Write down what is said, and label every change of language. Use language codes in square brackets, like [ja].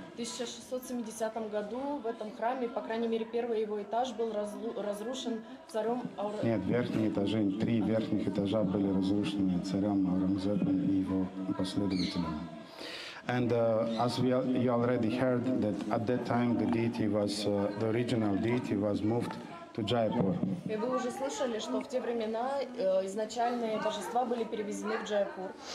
[ru] В 1670 году в этом храме, по крайней мере, первый его этаж был разрушен царем Аурангзебом. Нет, верхние этажи, три верхних этажа были разрушены царем Аурангзебом и его последователями. [en] And as we you already heard that at that time the deity was the original deity was moved to Jaipur. [ru] И вы уже слышали, что в те времена изначальные божества были перевезены в Джайпур.